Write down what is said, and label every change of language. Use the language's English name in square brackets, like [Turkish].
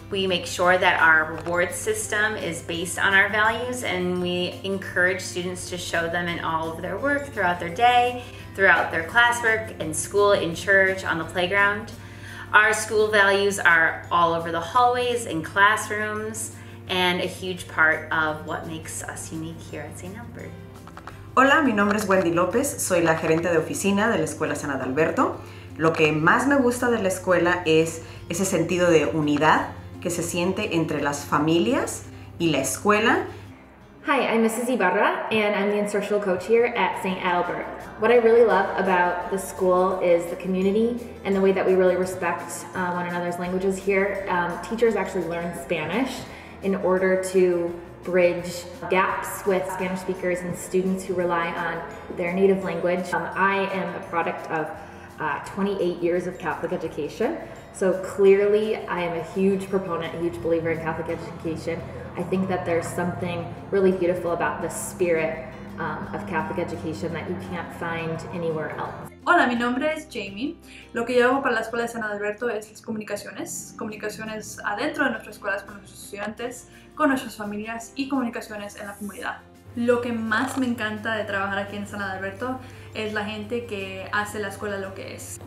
[English] We make sure that our reward system is based on our values, and we encourage students to show them in all of their work throughout their day, throughout their classwork, in school, in church, on the playground. Our school values are all over the hallways, in classrooms, and a huge part of what makes us unique here at St. Albert. [Spanish] Hola, mi nombre es Wendy López. Soy la gerente de oficina de la Escuela San Adalberto. Lo que más me gusta de la escuela es ese sentido de unidad que se siente entre las familias y la escuela. [English] Hi, I'm Mrs. Ibarra, and I'm the instructional coach here at St. Albert. What I really love about the school is the community and the way that we really respect one another's languages here. Teachers actually learn Spanish in order to bridge gaps with Spanish speakers and students who rely on their native language. I am a product of 28 years of Catholic education. So clearly, I am a huge proponent, a huge believer in Catholic education. I think that there's something really beautiful about the spirit of Catholic education that you can't find anywhere else. [Spanish] Hola, mi nombre es Jamie. Lo que yo hago para la Escuela de San Adalberto es las comunicaciones. Comunicaciones adentro de nuestras escuelas con nuestros estudiantes, con nuestras familias y comunicaciones en la comunidad. Lo que más me encanta de trabajar aquí en San Adalberto es la gente que hace la escuela lo que es.